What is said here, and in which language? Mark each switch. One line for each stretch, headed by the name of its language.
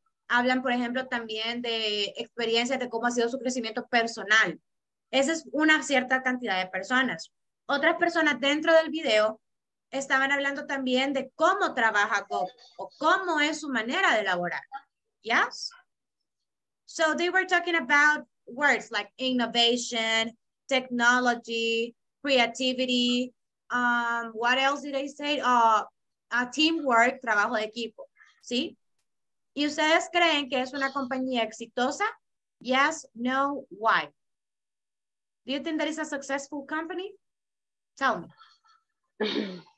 Spanish: Hablan, por ejemplo, también de experiencias de cómo ha sido su crecimiento personal. Esa es una cierta cantidad de personas. Otras personas dentro del video estaban hablando también de cómo trabaja Google o cómo es su manera de laborar.
English: Yes? So they were talking about words like innovation, technology, creativity. What else did they say? Teamwork,
Spanish: trabajo de equipo. ¿Sí? ¿Y ustedes creen que es una compañía exitosa?
English: Yes, no, why? Do you think that is a successful company? Tell me.